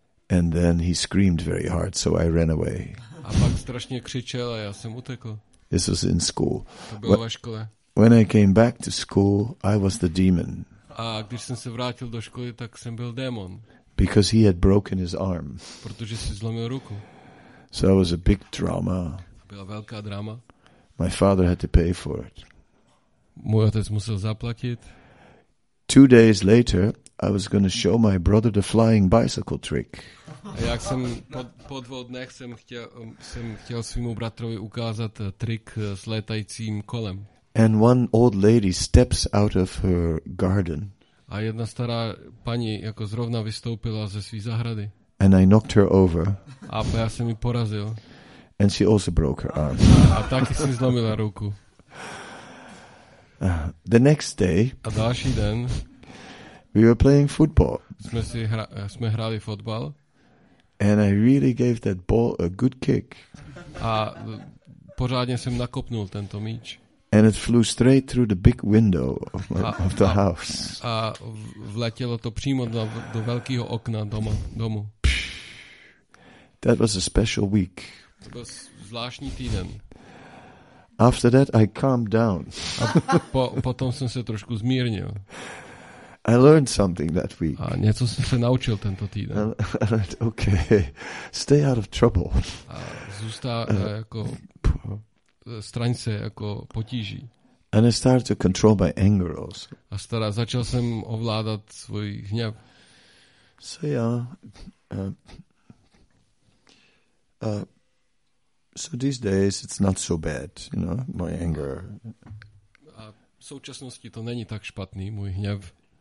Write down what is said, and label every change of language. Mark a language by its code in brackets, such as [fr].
[en] And then he screamed very hard, so I ran away. [cs] A pak strašně křičel a já jsem utekl. [en] This was in school. [cs] To bylo ve škole. [en] When I came back to school, I was the demon. [cs] A když jsem se vrátil do školy, tak jsem byl démon. [en] Because he had broken his arm. [cs] Protože si zlomil ruku. [en] So it was a big drama. [cs] Byla velká drama. [en] My father had to pay for it. [cs] Můj otec musel zaplatit. [en] 2 days later, I was going to show my brother the flying bicycle trick. [cs] A jak jsem po dvou dnech jsem chtěl svému bratrovi ukázat trik s létajícím kolem. [en] And one old lady steps out of her garden. [cs] A jedna stará paní jako zrovna vystoupila ze své zahrady. [en] And I knocked her over. [cs] A já jsem ji porazil. [en] And she also broke her arm. [cs] A taky si zlomila ruku. [en] The next day. [cs] A další den. [en] We were playing football. [cs] Jsme hráli fotbal. [en] And I really gave that ball a good kick. [cs] A pořádně jsem nakopnul tento míč. [en] And it flew straight through the big window of the house. [cs] A vletělo to přímo do velkého okna domu. [en] That was a special week. [cs] To byl zvláštní týden. [en] After that I calmed down. [cs] Potom jsem se trošku zmírnil. [en] I learned something that week. [cs] A něco jsem se naučil tento týden. [en] Okay. Stay out of trouble. [cs] A zůstá jako straň se jako potíží. [en] And I started to control my anger also. [cs] A začal jsem ovládat svůj hněv. [en] So so these days it's not so bad, you know, my anger. [cs] A v současnosti to není tak špatný, můj hněv.